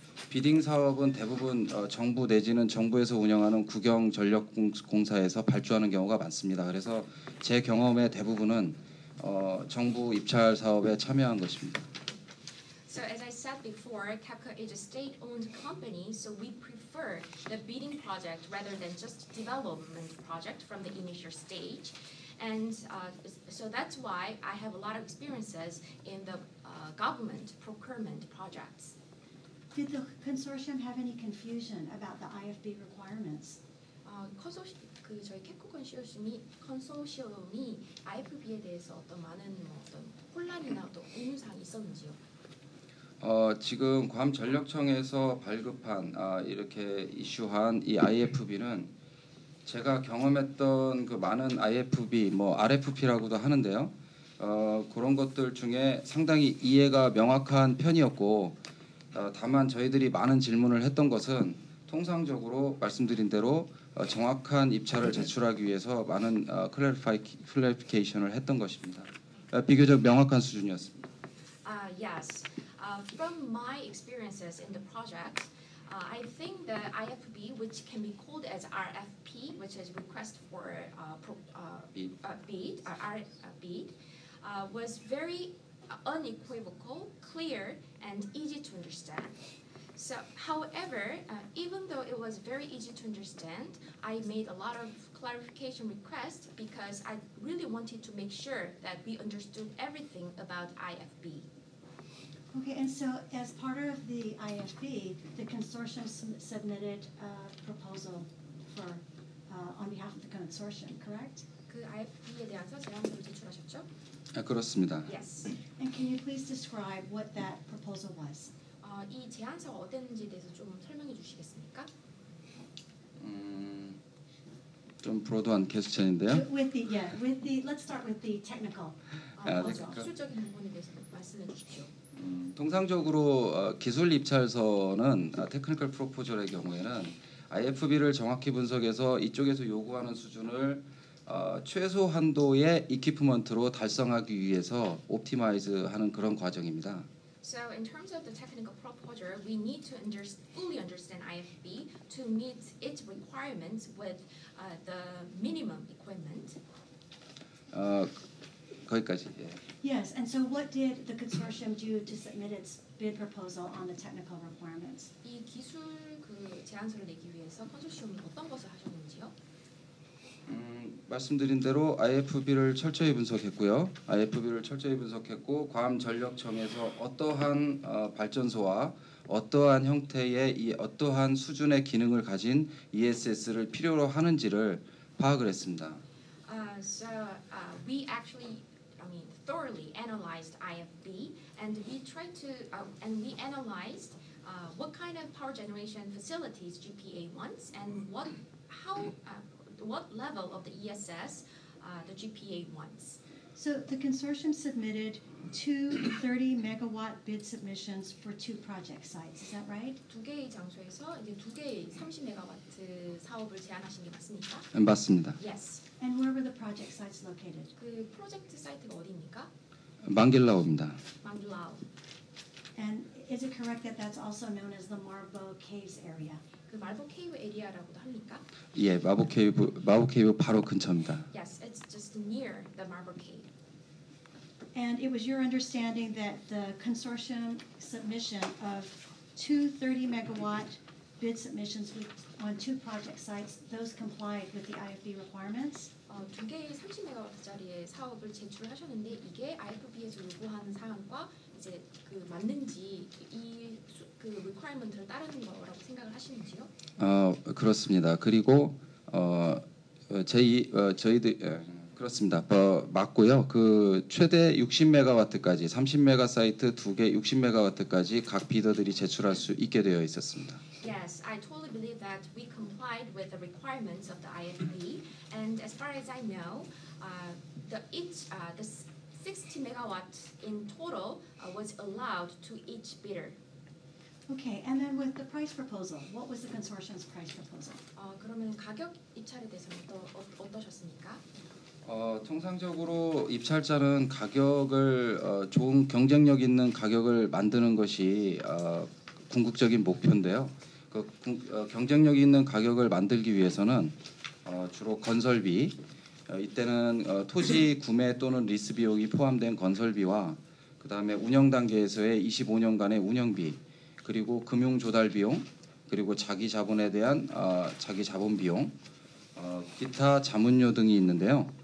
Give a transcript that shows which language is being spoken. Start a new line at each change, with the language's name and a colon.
Korean: 비딩 사업은 대부분 정부 내지는 정부에서 운영하는 국영 전력 공사에서 발주하는 경우가 많습니다. 그래서 제 경험의 대부분은 정부 입찰 사업에 참여한 것입니다.
English: So as I said before, KEPCO is a state-owned company, so we prefer the bidding project rather than just development project from the initial stage. And so that's why I have a lot of experiences in the government procurement projects. Did the consortium have any confusion about the IFB requirements?
Korean: 그 저희 KEPCO 컨소시엄이 IFB에 대해서 어떤 많은 어떤 혼란이나 또 의문사항이 있었는지요? 지금 괌 전력청에서 발급한 이렇게 이슈한 이 IFB는 제가 경험했던 그 많은 IFB, 뭐 RFP라고도 하는데요. 그런 것들 중에 상당히 이해가 명확한 편이었고 다만 저희들이 많은 질문을 했던 것은 통상적으로 말씀드린 대로 정확한 입찰을 제출하기 위해서 많은 클래리피케이션을 했던 것입니다. 비교적 명확한 수준이었습니다.
English: Yes. From my experiences in the project, I think the IFB, which can be called as RFP, which is request for bid, was very unequivocal, clear, and easy to understand. So, however, even though it was very easy to understand, I made a lot of clarification requests because I really wanted to make sure that we understood everything about IFB. Okay, and so as part of the IFB, the consortium submitted a proposal for on behalf of the consortium, correct?
Korean: 그 IFB에 대해서 제안서를 제출하셨죠? 아, 그렇습니다.
English: Yes. And can you please describe what that proposal was?
Korean: 이 제안서가 어땠는지 대해서 좀 설명해 주시겠습니까? 좀 불어도한 개수천인데요.
English: With the, yeah, with the, let's start with the technical.
Korean: 먼저 기술적인 부분에 대해서 말씀해 주십시오. 통상적으로 기술 입찰서는 테크니컬 프로포절의 경우에는 IFB를 정확히 분석해서 이쪽에서 요구하는 수준을 최소한도의 이퀴프먼트로 달성하기 위해서 옵티마이즈하는 그런 과정입니다.
English: So in terms of the technical proposal, we need to fully understand IFB to meet its requirements with the minimum equipment.
Korean: 거기까지.
English: Yes, and so what did the consortium do to submit its bid proposal on the technical requirements?
Korean: 이 기술 그 제안서를 내기 위해서 컨소시엄이 어떤 것을 하셨는지요? 말씀드린 대로 IFB를 철저히 분석했고요. IFB를 철저히 분석했고 괌 전력청에서 어떠한 발전소와 어떠한 형태의 이 어떠한 수준의 기능을 가진 ESS를 필요로 하는지를 파악을 했습니다.
English: We actually thoroughly analyzed IFB and we tried to and we analyzed what kind of power generation facilities GPA wants and what level of the ESS the GPA wants. So the consortium submitted two 30 megawatt bid submissions for two project sites. Is that right?
Korean: 두 개의 장소에서 이제 두 개의 30 메가와트 사업을 제안하신 게 맞습니까? 네, 맞습니다.
English: Yes. And where were the project sites located?
Korean: 그 프로젝트 사이트가 어디입니까? 망길라오입니다. 망길라오.
English: And is it correct that that's also known as the Marbo Caves area?
Korean: 그 마보 케이브 에리아라고도 합니까? 예, 마보 케이브 바로 근처입니다.
English: Yes, it's just near the Marble Cave. And it was your understanding that the consortium submission of two 30 megawatt bid submissions on two project sites those complied with the IFB requirements?
Korean: 두 개의 30 메가와트짜리의 사업을 제출하셨는데 이게 IFB에서 요구하는 사항과 이제 그 맞는지 이 그
English: requirement를
Korean: 따르는 거라고 생각을 하시는지요? 그렇습니다. 그리고 저희들 맞고요. 그 최대 60메가와트까지 30메가 사이트 두 개 60메가와트까지 각 비더들이 제출할 수 있게 되어 있었습니다.
English: Yes, I totally believe that we complied with the requirements of the IFB and as far as I know, the 60 megawatt in total was allowed to each bidder. Okay, and then with the price proposal, what was the consortium's price proposal?
Korean: 그러면 가격 입찰에 대해서는 또 어떠셨습니까? 통상적으로 입찰자는 가격을 좋은 경쟁력 있는 가격을 만드는 것이 궁극적인 목표인데요. 그 경쟁력 있는 가격을 만들기 위해서는 주로 건설비 이때는 토지 구매 또는 리스 비용이 포함된 건설비와 그다음에 운영 단계에서의 25년간의 운영비 그리고 금융 조달 비용, 그리고 자기 자본에 대한 자기 자본 비용, 기타 자문료 등이 있는데요.